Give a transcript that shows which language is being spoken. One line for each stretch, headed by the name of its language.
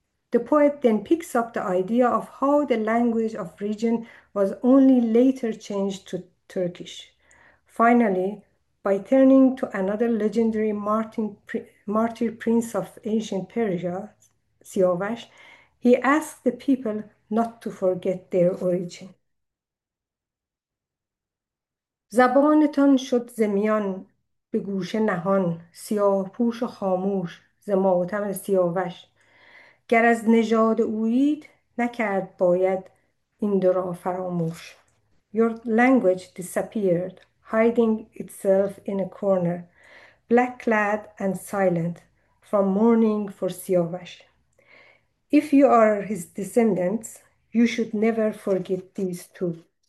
English: The poet then picks up the idea of how the language of region was only later changed to Turkish. Finally, by turning to another legendary martyr prince of ancient Persia, Siavash, he asks the people not to forget their origin.
Persian: زبانتان شد زمیان به گوش نهان سیاه پوش و خاموش ز ماتم سیاوش گر از نژاد اویید نکرد باید این دو را فراموش.
English: Your language disappeared, hiding itself in a corner, black clad and silent, from mourning for Siavash. If you are his descendants, you should never forget these two.